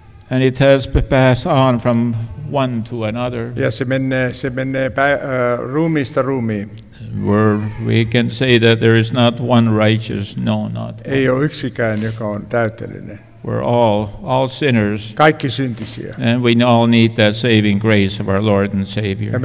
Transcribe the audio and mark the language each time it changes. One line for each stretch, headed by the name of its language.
English: And it has passed on from one to another.
Finnish: Ja se menee ruumiista ruumiin.
English: Where we can say that there is not one righteous, no, not one.
Finnish: Ei ole yksikään, joka on täydellinen.
English: We're all sinners.
Finnish: Kaikki syntisiä.
English: And we all need that saving grace of our Lord and Savior.